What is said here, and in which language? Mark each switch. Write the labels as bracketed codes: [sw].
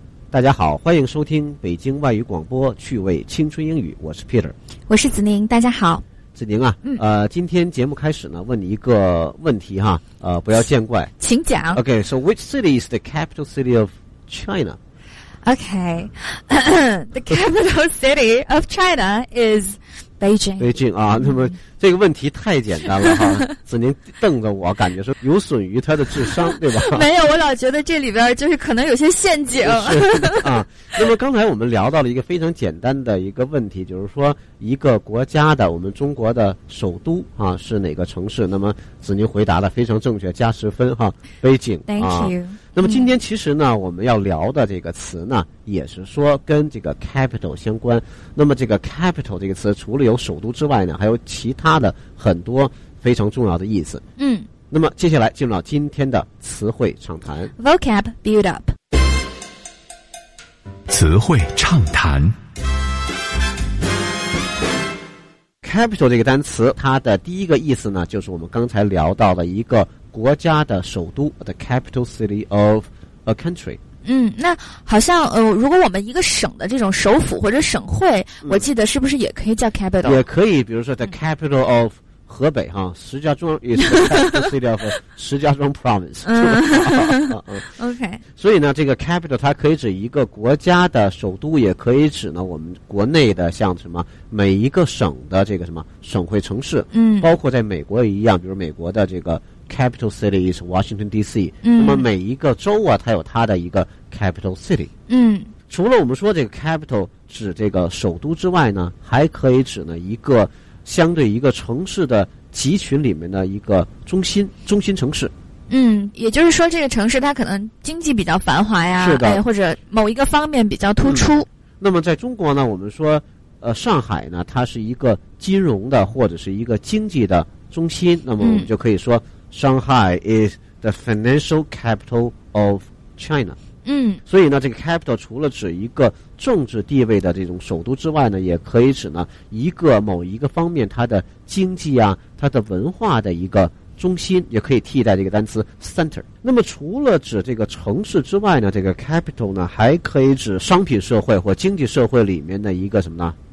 [zh] 大家好，欢迎收听北京外语广播趣味青春英语。我是 Peter。我是子宁，大家好。子宁啊，今天节目开始呢，问你一个问题哈，不要见怪。请讲。 [en] Okay, so which city is the capital city of China? Okay, the capital city of China is... Beijing, [zh] Beijing 啊，那么这个问题太简单了哈。子宁瞪着我，感觉说有损于他的智商，对吧？没有，我老觉得这里边就是可能有些陷阱。是啊，那么刚才我们聊到了一个非常简单的一个问题，就是说一个国家的我们中国的首都啊是哪个城市？那么子宁回答的非常正确，加十分哈。 [en] Beijing, thank you、啊。 [zh] 那么今天其实呢，我们要聊的这个词呢，也是说跟这个 capital 相关。那么这个 capital 这个词，除了有首都之外呢，还有其他的很多非常重要的意思。嗯。那么接下来进入到今天的词汇畅谈。 [en] Vocab build up。 [zh] 词汇畅谈。 Capital 这个单词，它的第一个意思呢，就是我们刚才聊到的一个。国家的首都 [en] the capital city of a country [zh] 嗯，那好像如果我们一个省的这种首府或者省会、我记得是不是也可以叫 capital 也可以比如说 [en] the capital of [zh] 河北哈，石家庄也是 [en] capital city of [zh] 石家庄 province 是吧、 [en] OK [zh] 所以呢这个 capital 它可以指一个国家的首都也可以指呢我们国内的像什么每一个省的这个什么省会城市嗯，包括在美国也一样比如美国的这个 [en] Capital city is Washington D.C.、 [zh] 那么每一个州啊，它有它的一个 capital city。嗯，除了我们说这个 capital 指这个首都之外呢，还可以指呢一个相对一个城市的集群里面的一个中心城市。嗯，也就是说，这个城市它可能经济比较繁华呀，是的，或者某一个方面比较突出、那么在中国呢，我们说上海呢，它是一个金融的或者是一个经济的中心，那么我们就可以说。 [en] Shanghai is the financial capital of China. 嗯， [zh] 所以呢，这个 capital 除了指一个政治地位的这种首都之外呢，也可以指呢一个某一个方面它的经济啊，它的文化的一个中心，也可以替代这个单词 center。那么除了指这个城市之外呢，这个 capital 呢还可以指商品社会或经济社会里面的一个什么呢？